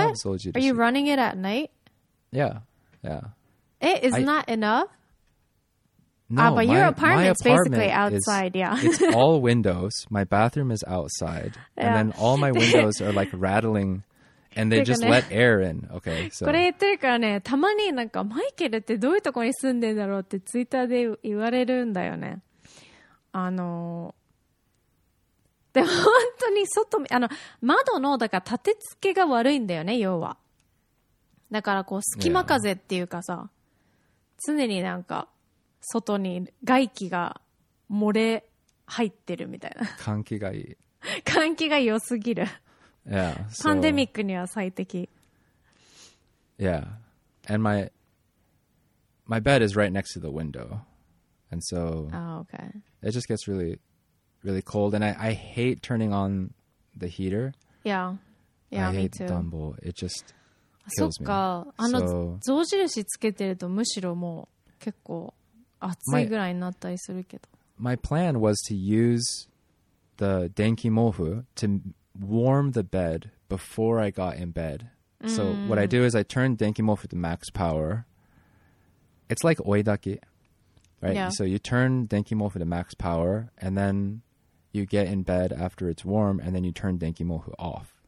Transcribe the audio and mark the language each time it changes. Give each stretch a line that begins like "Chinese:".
English: Have Zojirushi. Are you running it at night? Yeah, yeah. It is not enough? No, but your apartment's basically outside, is, yeah. It's all windows. My bathroom is outside. Yeah. And then all my windows are like rattling... And they just let air in. Okay. So.
Japanese: これ言ってるからね、たまになんかマイケルってどういうところに住んでんだろうってツイッターで言われるんだよね。あの、で本当に外、あの、窓の、だから立て付けが悪いんだよね、要は。だからこう隙間風っていうかさ、yeah. 常になんか外に外気が漏れ入ってるみたいな。換気がいい。換気が良すぎる。
English: Yeah,
Japanese: so, パンデミックには最適。
English: Yeah, and my bed is right next to the window, and so it just gets really, really cold. And I hate turning on the heater. Yeah, yeah, me too. I hate
Japanese: 暖房.
English: It just kills me.
Japanese: そっか、あの象印つけてるとむしろもう結構暑いぐらいになったりするけど。
English: My plan was to use the denki mofu to warm the bed before I got in bed. So what I do is I turn denki mofu to max power. It's like oidaki, right? Yeah. So you turn denki mofu to max power and then you get in bed after it's warm and then you turn denki mofu off.